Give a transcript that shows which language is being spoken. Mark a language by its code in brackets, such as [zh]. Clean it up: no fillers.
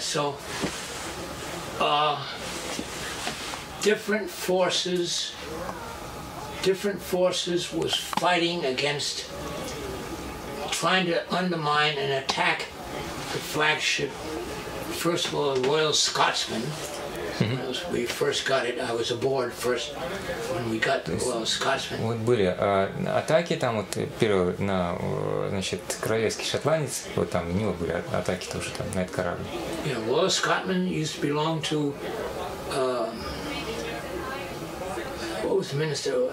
[en] So different forces was fighting against trying to undermine and attack the flagship. First of all, the Royal Scotsman. Mm-hmm. When we first got it, I was aboard first when we got the Royal Scotsman. [ru] Вот были атаки там вот первые на значит королевский шотландец, вот там у него были атаки тоже там на этот корабль. [en] Yeah, Royal Scotsman used to belong to what was the minister?